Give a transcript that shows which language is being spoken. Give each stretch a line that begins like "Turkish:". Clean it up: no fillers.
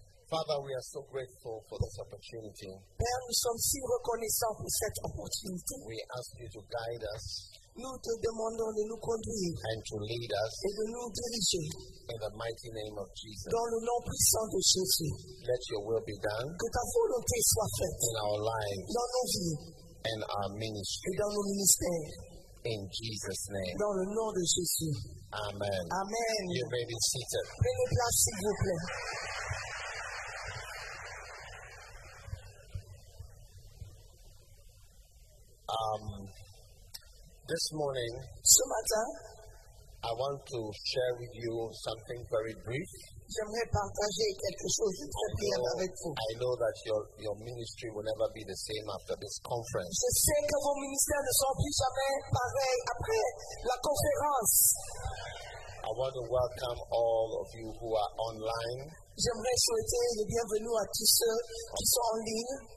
English: Father, we are so grateful for this opportunity.
French: Père, nous sommes si reconnaissants pour cette opportunité.
English: We ask you to guide us.
French: Nous te demandons de nous conduire.
English: And to lead us.
French: Et de nous diriger.
English: In the mighty name of Jesus.
French: Dans le nom puissant de Jésus.
English: Let your will be done.
French: Que ta volonté soit faite.
English: In our lives.
French: Dans nos vies.
English: And our ministry.
French: Et dans nos ministères.
English: In Jesus' name.
French: Dans le nom de Jésus. Amen. Amen.
English: You may be seated.
French: Prenez place, s'il vous plaît.
English: This morning,
French: ce matin,
English: I want to share with you something very brief.
French: J'aimerais partager quelque chose très bien avec vous.
English: I know that your ministry will never be the same after this conference.
French: Je sais que vos ministères ne sont plus jamais pareils après la conférence.
English: I want to welcome all of you who are online.
French: J'aimerais souhaiter le bienvenue à tous ceux qui sont en ligne.